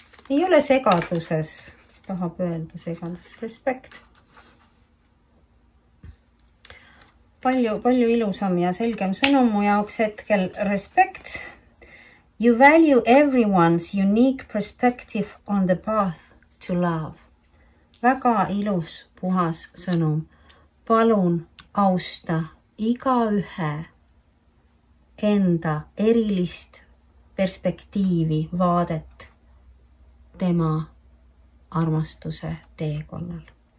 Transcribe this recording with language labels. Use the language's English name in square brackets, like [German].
[Estonian] Ei ole segaduses, tahab öelda segadus, respekt. Palju ilusam ja selgem sõnumu jaoks hetkel, respekt. [English] You value everyone's unique perspective on the path to love. [Estonian] Väga ilus, puhas sõnum. Palun austa igaühe enda erilist perspektiivi vaadet. Tema armastuse teekonnal.